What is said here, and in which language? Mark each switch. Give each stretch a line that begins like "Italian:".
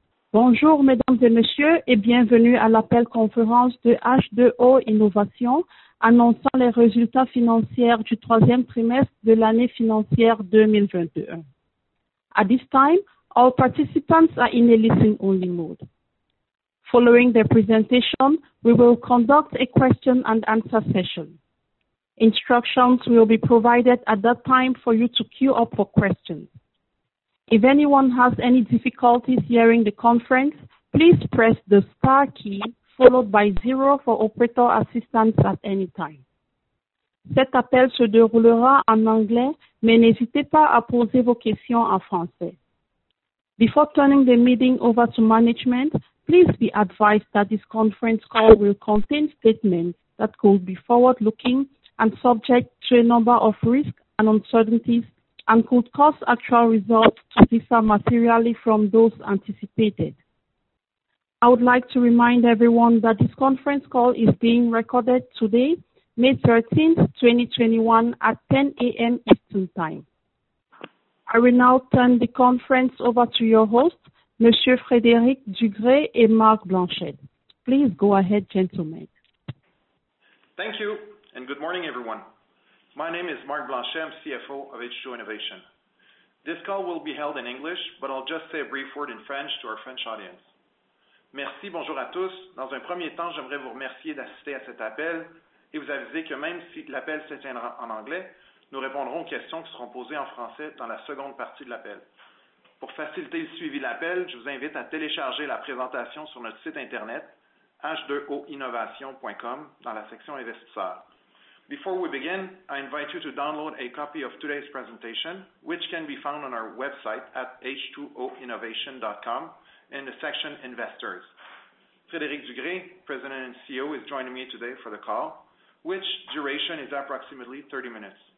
French: Bonjour, mesdames et messieurs, et bienvenue à l'appel conférence de H2O Innovation annonçant les résultats financiers du troisième trimestre de l'année financière 2021.
English: At this time, all participants are in a listen-only mode. Following the presentation, we will conduct a question and answer session. Instructions will be provided at that time for you to queue up for questions. If anyone has any difficulties hearing the conference, please press the star key followed by zero for operator assistance at any time.
French: Cet appel se déroulera en anglais, mais n'hésitez pas à poser vos questions en français.
English: Before turning the meeting over to management, please be advised that this conference call will contain statements that could be forward-looking and subject to a number of risks and uncertainties and could cause actual results to differ materially from those anticipated. I would like to remind everyone that this conference call is being recorded today, May 13th, 2021, at 10:00 A.M. Eastern Time. I will now turn the conference over to your host, Monsieur Frédéric Dugré and Marc Blanchet. Please go ahead, gentlemen. Thank you, and good morning, everyone. My name is Marc Blanchet. I'm CFO of H2O Innovation. This call will be held in English, but I'll just say a brief word in French to our French audience.
French: Merci, bonjour à tous. Dans un premier temps, j'aimerais vous remercier d'assister à cet appel et vous aviser que même si l'appel se tiendra en anglais, nous répondrons aux questions qui seront posées en français dans la seconde partie de l'appel. Pour faciliter le suivi de l'appel, je vous invite à télécharger la présentation sur notre site Internet, h2oinnovation.com, dans la section Investisseurs.
English: Before we begin, I invite you to download a copy of today's presentation, which can be found on our website at h2oinnovation.com in the section Investors. Frédéric Dugré, President and CEO, is joining me today for the call, which duration is approximately 30 minutes.